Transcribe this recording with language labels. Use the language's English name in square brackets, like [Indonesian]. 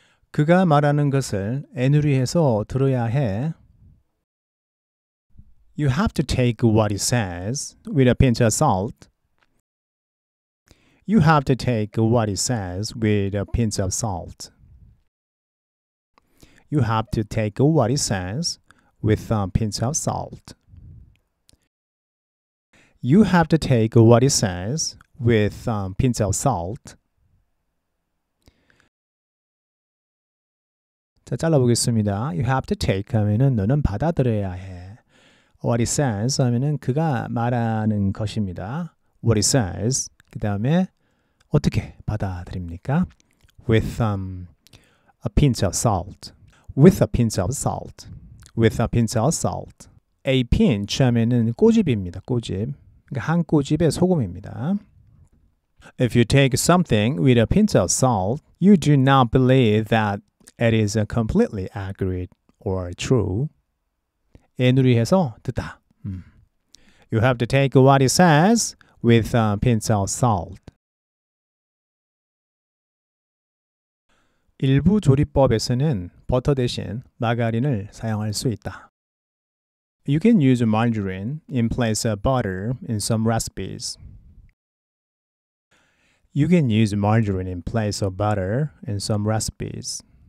[Korean] 그가 말하는 것을 애누리해서 들어야 해. [English] You have to take what he says with a pinch of salt. You have to take what he says with a pinch of salt. You have to take what he says with a pinch of salt. You have to take what he says with a pinch of salt. [Korean] 자, 잘라보겠습니다. [English] You have to take [Korean] 하면은 너는 받아들여야 해. [English] What he says [Korean] 하면은 그가 말하는 것입니다. [English] What he says, [Korean] 그 다음에 어떻게 받아들입니까? [English] With a pinch of salt. With a pinch of salt. With a pinch of salt. A pinch [Korean] 하면은 꼬집입니다. 꼬집. 그러니까 한 꼬집의 소금입니다. [English] If you take something with a pinch of salt, you do not believe that it is completely accurate or true. [Korean] 애누리해서 듣다. [English] You have to take what it says with a pinch of salt. [Korean] 일부 조리법에서는 버터 대신 마가린을 사용할 수 있다. [English] You can use margarine in place of butter in some recipes. You can use margarine in place of butter in some recipes.